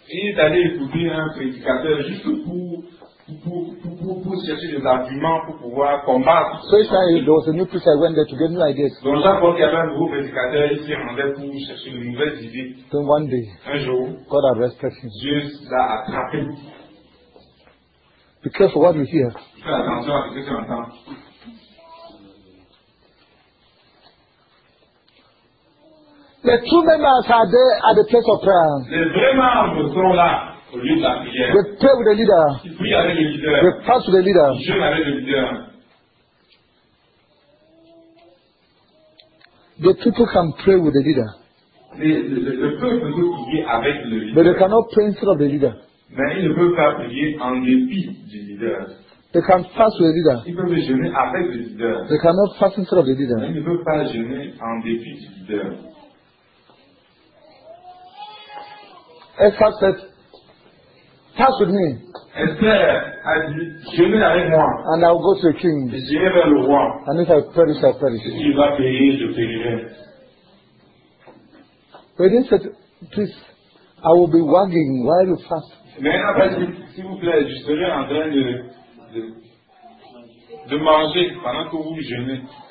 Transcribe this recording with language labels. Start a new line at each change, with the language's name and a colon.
French: Il est allé écouter un prédicateur juste pour chercher des arguments pour pouvoir combattre.
English: So each time there was a new preacher, went there to get new ideas.
French: Donc chaque fois qu'il y avait un nouveau prédicateur, il s'y rendait pour chercher de nouvelles idées.
English: Then one day,
French: un jour,
English: God arrested him.
French: Dieu l'a attrapé.
English: Be careful what you hear.
French: Fais attention à ce que tu entends.
English: The true members are there at the place of prayer.
French: Les vrais membres sont là au lieu de la prière.
English: They pray with the leader.
French: Ils prient avec le leader.
English: They fast with the leader.
French: Ils jeûnent avec le leader.
English: The people can pray with the leader.
French: Le peuple peut prier avec le leader.
English: But they cannot pray instead of the leader.
French: mais il ne peut pas prier en dépit du leader.
English: They can fast with the leader.
French: Ils peuvent jeûner avec le leader.
English: They cannot fast instead of the leader.
French: Mais ils ne peuvent pas jeûner en dépit du leader.
English: Esther said, "Fast with me."
French: Esther a dit, "Jeûnez avec moi."
English: And I'll go to the king.
French: Et j'irai vers le roi.
English: And if I perish, I perish.
French: Si il va périr, je périrai.
English: But then said, "Please, I will be wagging while you fast."
French: Mais après, s'il vous plaît, je serai en train de manger pendant que vous jeûnez.